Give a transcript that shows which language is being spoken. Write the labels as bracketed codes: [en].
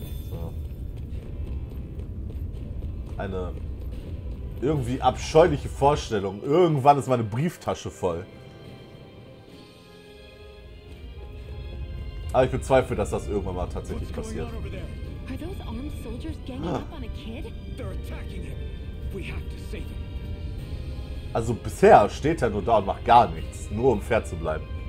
[de] So. Eine irgendwie abscheuliche Vorstellung. Irgendwann ist meine Brieftasche voll. Aber ich bezweifle, dass das irgendwann mal tatsächlich passiert. [en] Are those armed soldiers ganging up on a kid? They're attacking him. We have to save him. [de] Also bisher steht er nur da und macht gar nichts, nur um fair zu bleiben.